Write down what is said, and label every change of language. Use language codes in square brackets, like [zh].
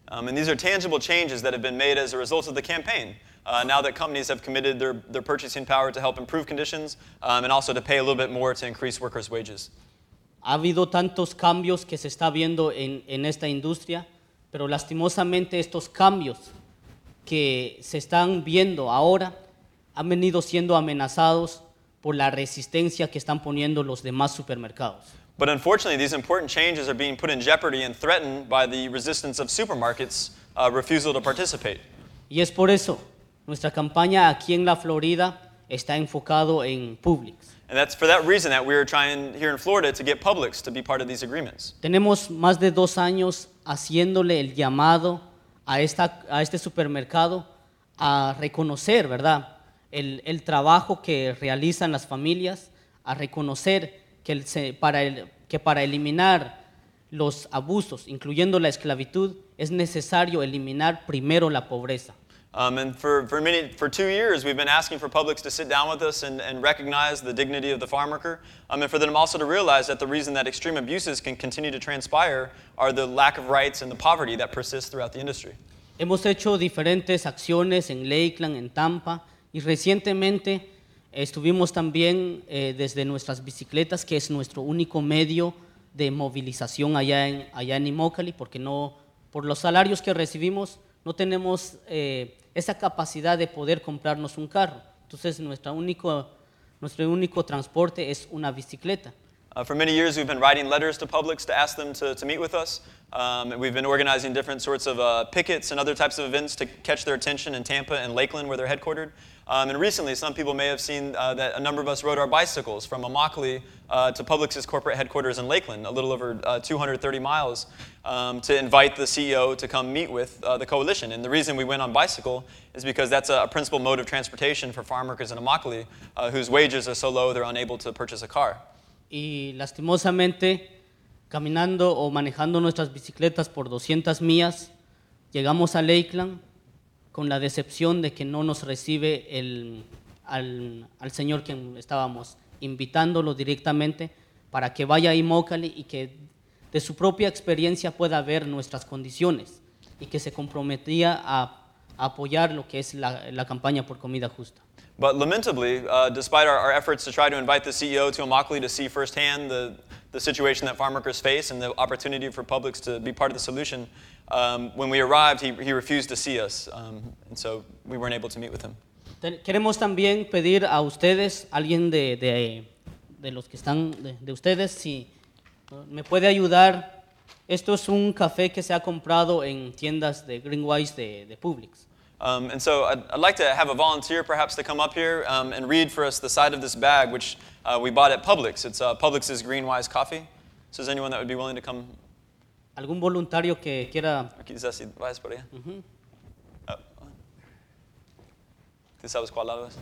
[en] And these are tangible changes that have been made as a result of the campaign. Now that companies have committed their purchasing power to help improve conditions and also to pay a little bit more to increase workers' wages. [es] Ha habido tantos cambios que se está viendo en esta industria, pero lastimosamente estos cambios que se están viendo ahora han venido siendo amenazados por la resistencia que están poniendo los demás supermercados. [en] But unfortunately, these important changes are being put in jeopardy and threatened by the resistance of supermarkets' refusal to participate. [es] Y es por eso nuestra campaña aquí en la Florida está enfocado en Publix. [en] And that's for that reason that we are trying here in Florida to get Publix to be part of these agreements. [es] Tenemos más de dos años haciéndole el llamado a este supermercado a reconocer, ¿verdad?, el trabajo que realizan las familias, a reconocer que para eliminar los abusos, incluyendo la esclavitud, es necesario eliminar primero la pobreza. [en] And for 2 years, we've been asking for Publix to sit down with us and recognize the dignity of the farm worker, and for them also to realize that the reason that extreme abuses can continue to transpire are the lack of rights and the poverty that persists throughout the industry. [es] Hemos hecho diferentes acciones en Lakeland, en Tampa, y recientemente estuvimos también desde nuestras bicicletas, que es nuestro único medio de movilización allá en Immokalee, porque no, por los salarios que recibimos, no tenemos esa capacidad de poder comprarnos un carro. Entonces, nuestro único transporte es una bicicleta. [en] For many years, we've been writing letters to Publix to ask them to meet with us. And we've been organizing different sorts of pickets and other types of events to catch their attention in Tampa and Lakeland, where they're headquartered. And recently, some people may have seen that a number of us rode our bicycles from Immokalee to Publix's corporate headquarters in Lakeland, a little over 230 miles, to invite the CEO to come meet with the coalition. And the reason we went on bicycle is because that's a principal mode of transportation for farm workers in Immokalee, whose wages are so low they're unable to purchase a car. [es] Y lastimosamente, caminando o manejando nuestras bicicletas por 200 millas, llegamos a Lakeland con la decepción de que no nos recibe al señor que estábamos invitándolo directamente para que vaya a Immokalee y que de su propia experiencia pueda ver nuestras condiciones y que se comprometía a apoyar lo que es la campaña por comida justa. [en] But lamentably, despite our efforts to try to invite the CEO to Immokalee to see firsthand the situation that farm workers face and the opportunity for Publix to be part of the solution, when we arrived, he refused to see us, and so we weren't able to meet with him. [es] Queremos también pedir a ustedes, alguien de los que están de ustedes, si me puede ayudar. Esto es un café que se ha comprado en tiendas de Greenwise de Publix. [en] And so I'd like to have a volunteer perhaps to come up here and read for us the side of this bag, which we bought at Publix. It's Publix's Greenwise coffee. So is there anyone that would be willing to come? [es] ¿Algún voluntario que quiera? Quizás si vayas por allá. ¿Tú sabes cuál lado es?